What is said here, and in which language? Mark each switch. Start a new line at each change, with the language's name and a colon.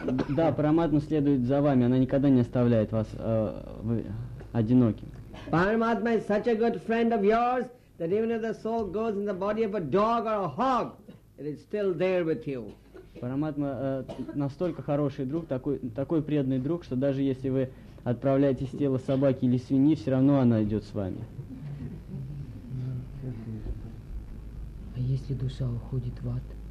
Russian: Да, Параматма следует за вами. Она никогда не оставляет вас одиноким.
English: Paramatma is such a good friend of yours. That even if the soul goes in the body of a dog or a hog, it is still there with you.
Russian: Параматма настолько хороший друг, такой преданный друг, что даже если вы отправляетесь в тело собаки или свиньи, все равно она идет с вами. А если душа уходит в ад?